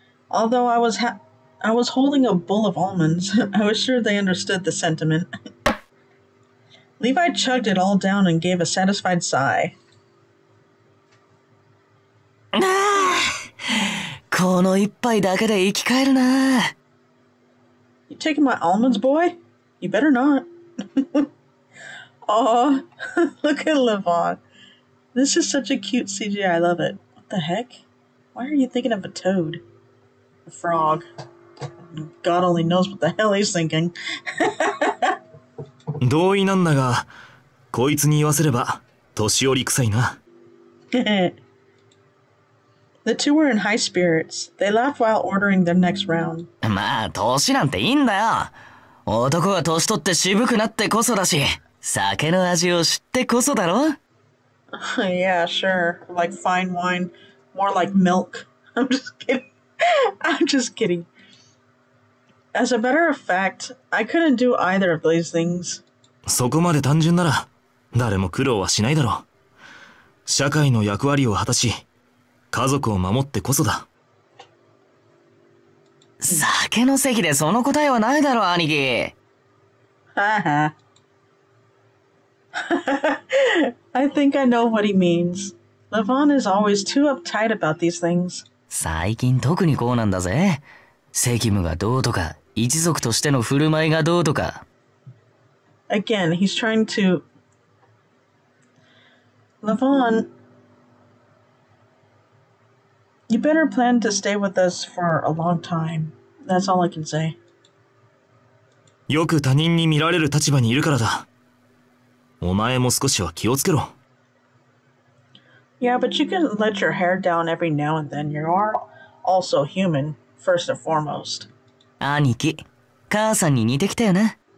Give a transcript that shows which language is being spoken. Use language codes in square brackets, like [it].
[en] Although I was holding a bowl of almonds, I was sure they understood the sentiment. Levi chugged it all down and gave a satisfied sigh. [ja] この一杯だけで生き返るな。 [en] You taking my almonds, boy? You better not. Aw, look at Levi. This is such a cute CGI, I love it. What the heck? Why are you thinking of a toad? Frog. God only knows what the hell he's thinking. [ja] 同意なんだが、こいつに言わせれば年寄り臭いな。 [en] The two were in high spirits. They laughed while ordering their next round. [ja] まあ、年なんていいんだよ。男は年取って渋くなってこそだし、酒の味を知ってこそだろ。 [en] Yeah, sure. Like fine wine. More like milk. I'm just kidding. I'm just kidding. As a matter of fact, I couldn't do either of these things. [ja] そこまで単純なら、誰も苦労はしないだろう。社会の役割を果たし、家族を守ってこそだ。酒の席でその答えはないだろう、兄貴。 [en] I think I know what he means. Lavan is always too uptight about these things. [ja] 最近特にこうなんだぜ。責務がどうとか、一族としての振る舞いがどうとか。 [en] Again, he's trying to... Lavan... You better plan to stay with us for a long time. That's all I can say. [ja] よく他人に見られる立場にいるからだ。お前も少しは気をつけろ。 [en] Yeah, but you can let your hair down every now and then. You are also human, first and foremost. [ja] 兄貴、母さんに似てきたよな。